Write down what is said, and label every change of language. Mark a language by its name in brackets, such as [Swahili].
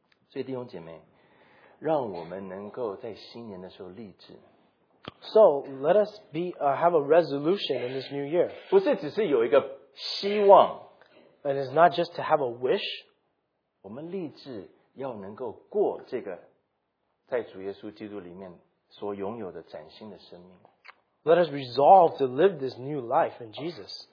[Chinese] 所以弟兄姐妹，让我们能够在新年的时候立志。 [English] So let us be have a resolution in this new year. [Chinese] 不是只是有一个希望, [English] and it's not just to have a wish. [Chinese] 我们立志要能够过这个在主耶稣基督里面所拥有的崭新的生命。 [English] Let us resolve to live this new life in Jesus.